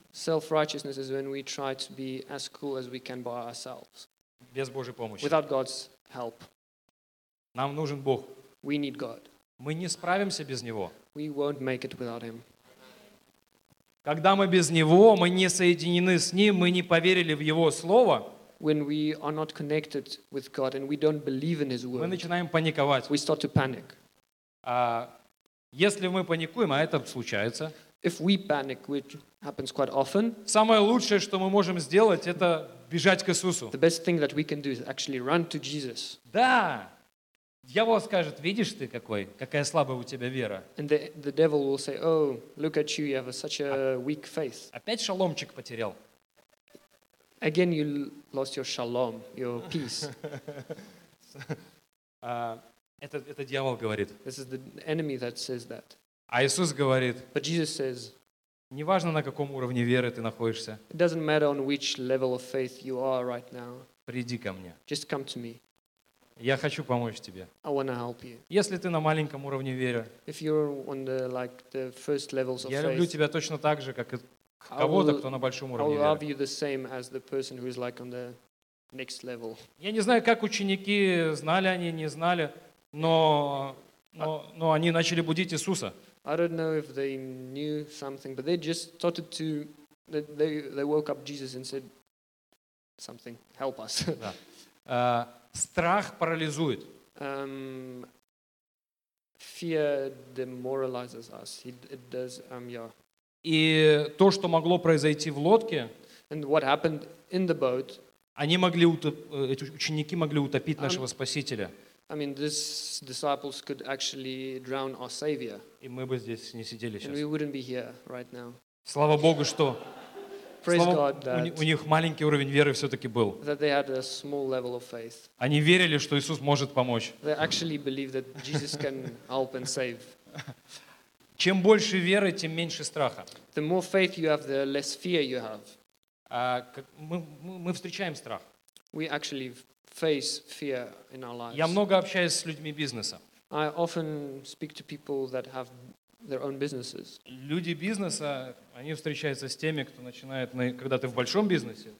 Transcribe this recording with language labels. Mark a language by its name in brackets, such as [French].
[English] Self-righteousness is when we try to be as cool as we can by ourselves. [Russian] Без Божьей помощи. [English] Without God's help. [Russian] Нам нужен Бог. [English] We need God. [Russian] Мы не справимся без Него. [English] We won't make it without Him. [Russian] Когда мы без Него, мы не соединены с Ним, мы не поверили в Его Слово. [English] When we are not connected with God and we don't believe in His Word. [Russian] Мы начинаем паниковать. [English] We start to panic. [Russian] Если мы паникуем, а это случается. [English] If we panic, which happens quite often. [Russian] Самое лучшее, что мы можем сделать, это бежать к Иисусу. [English] The best thing that we can do is actually run to Jesus. [Russian] Да. Дьявол скажет: видишь ты какой, какая слабая у тебя вера. [English] And the devil will say, oh, look at you, you have such a weak faith. [Russian] Опять шаломчик потерял. [English] Again you lost your shalom, your peace. [Russian] Это дьявол говорит. [English] This is the enemy that says that. [Russian] А Иисус говорит: [English] but Jesus says, [Russian] неважно, на каком уровне веры ты находишься, [English] it doesn't matter on which level of faith you are right now. [Russian] Приди ко мне. [English] Just come to me. [Russian] Я хочу помочь тебе. [English] I want to help you. [Russian] Если ты на маленьком уровне веры, [English] if you're on the, like, the first levels of [Russian] я люблю [English] faith, [Russian] тебя точно так же, как и кого-то, кто на большом уровне [English] I'll [Russian] веры. [English] Love you the same as the person who is like on the next level. [Russian] Я не знаю, как ученики знали, они не знали, но они начали будить Иисуса. [English] I don't know if they knew something, but they just started to. They woke up Jesus and said, "Something, help us." [Russian] Да. Страх парализует. [English] Fear demoralizes us. It does. Yeah. [Russian] И то, что могло произойти в лодке. [English] And what happened in the boat? [Russian] Они могли эти ученики могли утопить нашего Спасителя. [English] I mean, these disciples could actually drown our Savior. [Russian] И мы бы здесь не сидели сейчас. [English] And we wouldn't be here right now. [Russian] Слава Богу, что [English] Praise God that [Russian] у них маленький уровень веры все-таки был. [English] That they had a small level of faith. [Russian] Они верили, что Иисус может помочь. [English] They actually believed that Jesus can help and save. [Russian] Чем больше веры, тем меньше страха. [English] The more faith you have, the less fear you have. [Russian] Мы встречаем страх. [English] We actually face fear in our lives. [Russian] Я много общаюсь с людьми бизнеса. [English] I often speak to people that have their own businesses. [Russian] Люди бизнеса, они встречаются с теми, кто начинает, когда ты в большом бизнесе.